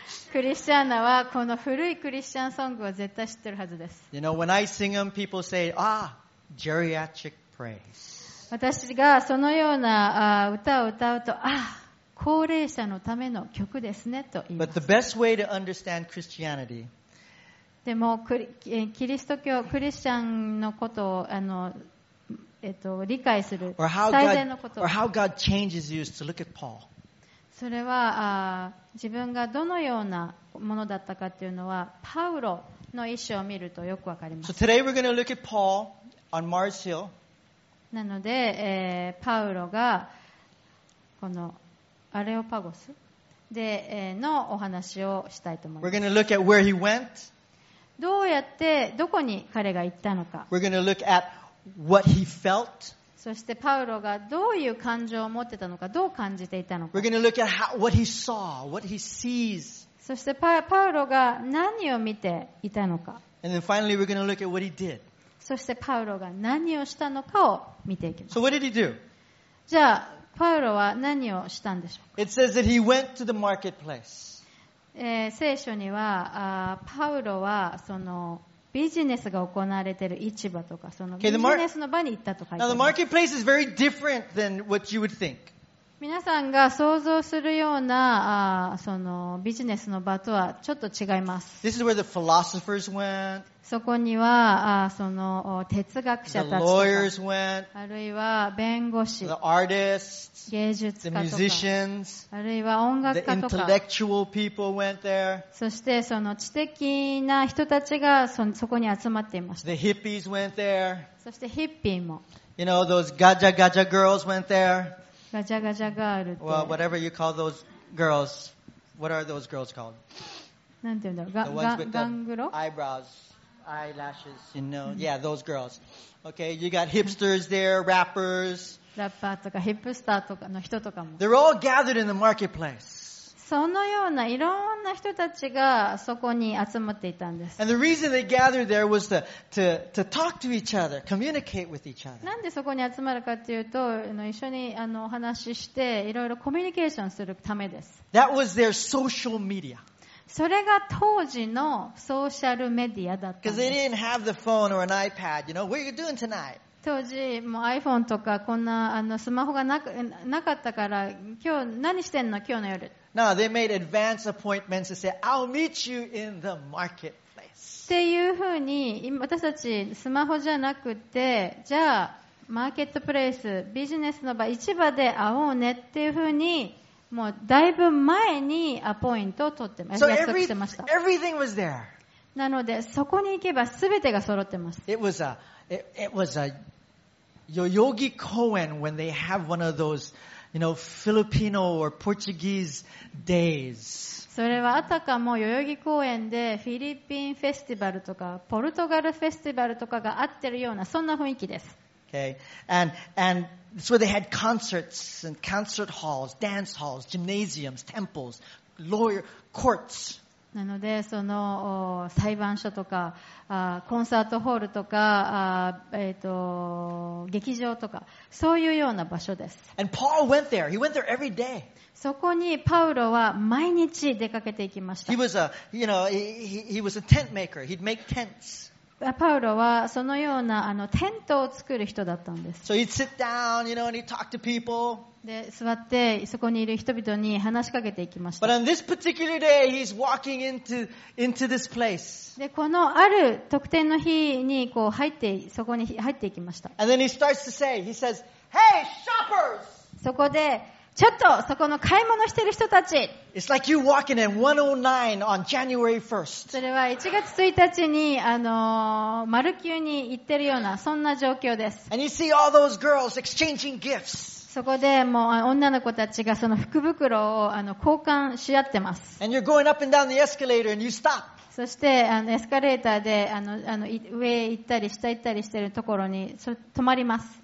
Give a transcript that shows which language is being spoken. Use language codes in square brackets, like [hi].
[ja] クリスチャンはこの古いクリスチャンソングを絶対知ってるはずです。 [en] You know, when I sing them, people say, ah, geriatric praise. [ja] 私がそのような歌を歌うと、ああ、高齢者のための曲ですねと言います。 [en] But the best way to understand Christianity, [ja] でもキリスト教クリスチャンのことを理解する最善のこと [en] or how God changes you is to look at Paul. [ja] それは自分がどのようなものだったかというのはパウロの一生を見るとよくわかります。 [en] So today we're going to look at Paul on Mars Hill. [ja] なので、パウロがこのアレオパゴスで、のお話をしたいと思います。 [en] We're going to look at where he went. [ja] どうやってどこに彼が行ったのか。 [en] We're going to look at what he felt. [ja] そしてパウロがどういう感情を持ってたのか、どう感じていたのか。 [en] We're going to look at how, what he saw, what he sees. [ja] そして パウロが何を見ていたのか。 [en] And then finally we're going to look at what he did. [ja] そしてパウロが何をしたのかを見ていきます。 [en] So what did he do? [ja] じゃあパウロは何をしたんでしょうか。 [en] It says that he went to the marketplace. [ja] 聖書にはパウロはそのビジネスが行われている市場とかそのビジネスの場に行ったと書いてある。 [en] Now the marketplace is very different than what you would think. [ja] 皆さんが想像するようなそのビジネスの場とはちょっと違います。 [en] This is where the philosophers went. [ja] そこにはその哲学者たちとか、 [en] the lawyers went. [ja] あるいは弁護士、 [en] the artists, [ja] 芸術家とか、 [en] the musicians, [ja] あるいは音楽家とか、 [en] the intellectual people went there. [ja] そしてその知的な人たちがそこに集まっていました。 [en] The hippies went there. [ja] そしてヒッピーも。 [en] You know, those gaja gaja girls went there. [ja] ガジャガジャガールって。 [en] Well, whatever you call those girls, what are those girls called? [ja] なんて言うんだろう。ガングロ。 [en] Eyebrows, eyelashes, you know. Yeah, those girls. Okay, you got hipsters there, rappers. [ja] ラッパーとかヒップスターとかの人とかも。 [en] They're all gathered in the marketplace. [ja] そのようないろんな人たちがそこに集まっていたんです。 [en] And the reason they gathered there was to talk to each other, communicate with each other. [ja] なんでそこに集まるかっていうと、一緒にお話ししていろいろコミュニケーションするためです。 [en] That was their social media. [ja] それが当時のソーシャルメディアだったんです。 [en] Because they didn't have the phone or an iPad, you know, what are you doing tonight? [ja] 当時もう iPhone とかこんなスマホがなかったから今日何してんの今日の夜 [en] Now they made advance appointments to say I'll meet you in the marketplace [ja] っていう風に私たちスマホじゃなくてじゃあマーケットプレイスビジネスの場市場で会おうねっていう風にもうだいぶ前にアポイントを取って、 [en] so、 [ja] 約束してました [en] Everything was there [ja] なのでそこに行けば全てが揃ってます [en] It was aIt was a Yoyogi Koen when they have one of those, you know, Filipino or Portuguese days. [ja] それはあたかも代々木公園でフィリピンフェスティバルとかポルトガルフェスティバルとかがあってるようなそんな雰囲気です。 [en] Okay, and so they had concerts and concert halls, dance halls, gymnasiums, temples, lawyer courts. [ja] なのでその裁判所とかコンサートホールとか劇場とかそういうような場所です。 [en] And Paul went there. He went there every day. [ja] そこにパウロは毎日出かけていきました。 [en] He was a, you know, he was a tent maker. He'd make tents. [ja] パウロはそのようなあのテントを作る人だったんです。 [en] So he'd sit down, you know, and he'd talk to people. [ja] で、座ってそこにいる人々に話しかけていきました。 [en] But on this particular day, he's walking into this place. [ja] で、このある特定の日にこう入って、そこに入っていきました。 [en] And then he starts to say, he says, Hey, shoppers! [ja] そこで、ちょっとそこの買い物してる人たち。 [en] It's like you walking in 109 on January 1st. [ja] それは1月1日に、マルキューに行ってるような、そんな状況です。 [en] And you see all those girls exchanging gifts. [ja] そこでもう女の子たちがその福袋を交換し合ってます。 [en] And you're going up and down the escalator and you stop. [ja] そしてエスカレーターで上行ったり下行ったりしてるところに止まります。